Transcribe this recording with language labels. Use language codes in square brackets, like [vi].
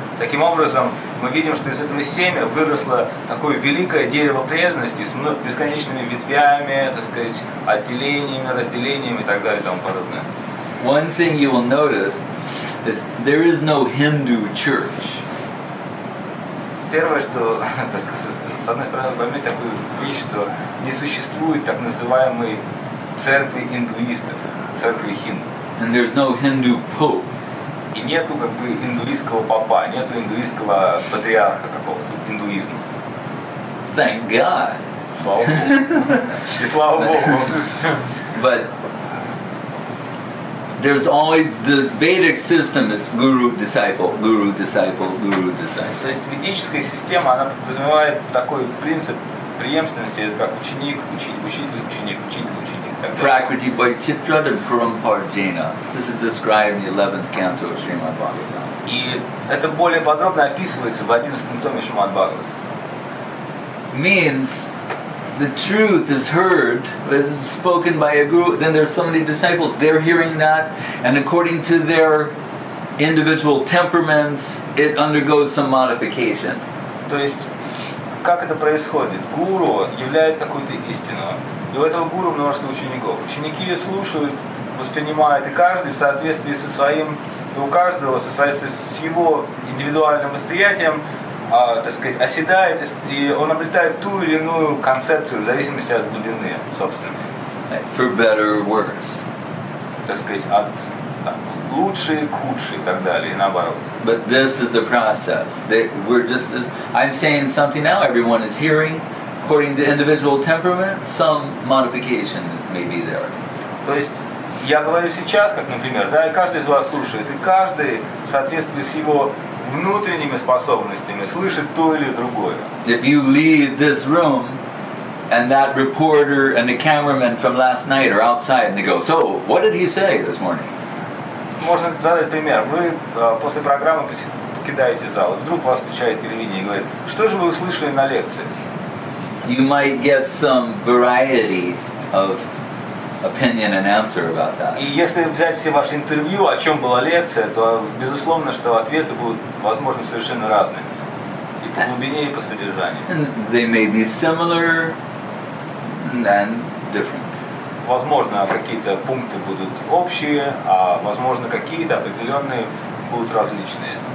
[ru] Таким образом, мы видим, что из этого семя выросло такое великое дерево преданности с бесконечными ветвями, так сказать, отделениями, разделениями и так далее и тому подобное. [en] One thing you will notice, there is no Hindu church. [ru] Первое, что, так сказать, с одной стороны, поймите такую вещь, что не существует так называемой церкви индуистов, церкви хинду. [en] And there's no Hindu pope. [ru] И нету как бы индуистского папа, нету индуистского патриарха какого-то, индуизма. [en] Thank God. [ru] Слава Богу. И слава Богу. [en] But there's always the Vedic system is guru disciple, guru disciple, guru disciple. [ru] То есть ведическая система, она подразумевает такой принцип преемственности, как ученик, учитель, ученик, учитель, ученик. [en] Prakriti Vaichitra and Parampara. This is described in the 11th canto of Srimad Bhagavatam. [ru] И это более подробно описывается в 11-м томе Шримад Бхагаватам. [en] Means the truth is heard, is spoken by a guru, then there's so many disciples, they're hearing that, and according to their individual temperaments, it undergoes some modification. [ru] То есть, как это происходит? Гуру являет какую-то истину, И у этого гуру множество учеников. Ученики слушают, воспринимают, и каждый в соответствии со своим, и у каждого в соответствии с его индивидуальным восприятием, так сказать, оседает, и он обретает ту или иную концепцию в зависимости от глубины собственной. [en] For better or worse. [ru] Так сказать, от лучшие к худшие и так далее, и наоборот. [en] But this is the process. We're just as I'm saying something now, everyone is hearing. According to individual temperament, some modification may be there. [ru] То есть я говорю сейчас, как, например, да, и каждый из вас слушает, и каждый, в соответствии с его внутренними способностями, слышит то или другое. [en] If you leave this room, and that reporter and the cameraman from last night are outside, and they go, "So, what did he say this morning?" [ru] Можно задать пример. Вы после программы покидаете зал, вдруг вас включает телевидение и говорит, что же вы услышали на лекции? [en] You might get some variety of opinion and answer about that. [ru] И если взять все ваши интервью, о чем была лекция, то безусловно, что ответы будут, возможно, совершенно разными. И по глубине, и по содержанию. [en] And they may be similar and different. [ru] Возможно, какие-то пункты будут общие, а возможно, какие-то определенные будут различные.